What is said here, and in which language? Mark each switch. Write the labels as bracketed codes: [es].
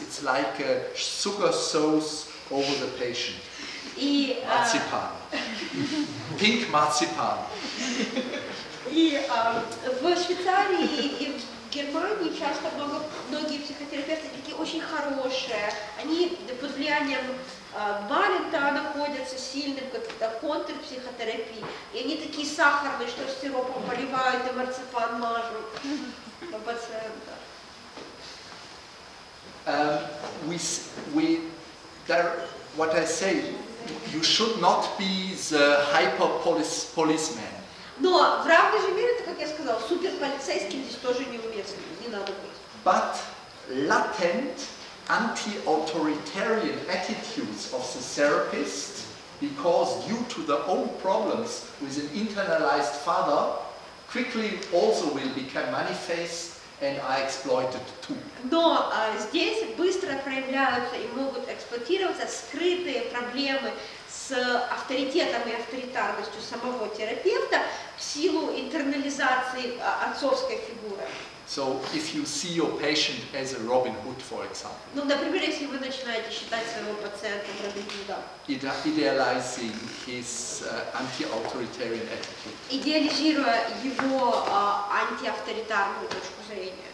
[en] It's like a sugar sauce over the patient. Marzipan. Pink marzipan. [ru] И в Швейцарии и в Германии часто многие психотерапевты такие очень хорошие. Они под влиянием Баррента находятся сильным, как-то контрпсихотерапии. И они такие сахарные, что сиропом поливают и марципан мажут на пациента. [en] What I say, you should not be the hyper-policeman. [ru] Но в равной же мере, как я сказал, суперполицейским здесь тоже неуместно, не надо быть. [en] But latent anti-authoritarian attitudes of the therapist, because due to their own problems with an internalized father, quickly also will become manifest and are exploited too. [ru] Но здесь быстро проявляются и могут эксплуатироваться скрытые проблемы с авторитетом и авторитарностью самого терапевта в силу интернализации отцовской фигуры. [en] So if you see your patient as a Robin Hood, for example. [ru] Ну, например, если вы начинаете считать своего пациента Робин Гудом. [en] Idealizing his anti-authoritarian attitude. [ru] Идеализируя его антиавторитарную точку зрения.